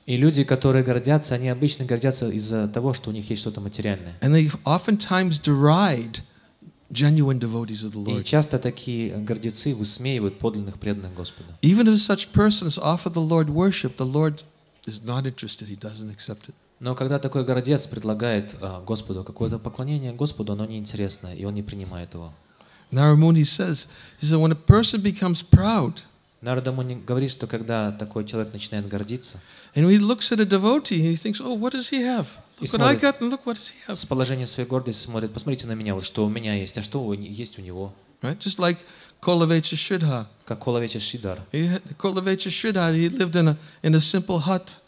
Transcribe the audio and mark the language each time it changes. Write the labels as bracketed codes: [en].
[ru] И люди, которые гордятся, они обычно гордятся из-за того, что у них есть что-то материальное. [en] And they oftentimes deride genuine devotees of the Lord. [ru] И часто такие гордецы высмеивают подлинных преданных Господа. [en] Even if such persons offer the Lord worship, the Lord is not interested. He doesn't accept it. [ru] Но когда такой гордец предлагает Господу какое-то поклонение Господу, оно неинтересно, и он не принимает его. [en] Наримуни says, he said, when a person becomes proud, [ru] Нарада Муни говорит, что когда такой человек начинает гордиться, [en] and he looks at a devotee and he thinks, oh, what does he have? Look what I got and look what does he have? [ru] С положения своей гордости смотрит, посмотрите на меня, вот что у меня есть, а что есть у него? [en] Right? Just like Kulavecha Sridhara. [ru] Как Kulavecha Sridhara. [en] Kulavecha Sridhara, he lived in a simple hut.